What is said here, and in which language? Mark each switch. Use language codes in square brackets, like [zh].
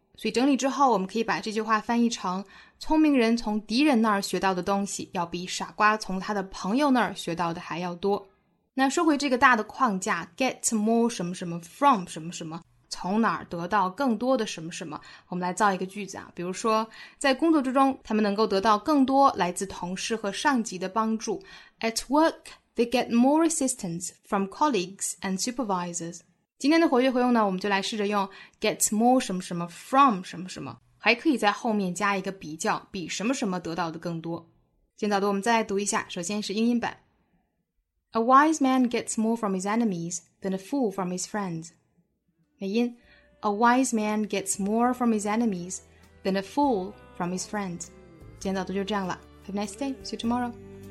[zh] 所以整理之后，我们可以把这句话翻译成，聪明人从敌人那儿学到的东西要比傻瓜从他的朋友那儿学到的还要多。那说回这个大的框架， [en] get more [zh] 什么什么 from 什么什么，从哪儿得到更多的什么什么，我们来造一个句子啊。比如说在工作之中，他们能够得到更多来自同事和上级的帮助。 [en] At work, they get more assistance from colleagues and supervisors. [zh] 今天的活跃活用呢，我们就来试着用 [en] get more [zh] 什么什么 from 什么什么，还可以在后面加一个比较，比什么什么得到的更多。今早读我们再来读一下，首先是英音版。 [en] A wise man gets more from his enemies than a fool from his friends. [zh] 美音 [en] A wise man gets more from his enemies than a fool from his friends. [zh] 今天早上就这样了。 [en] Have a nice day. See you tomorrow.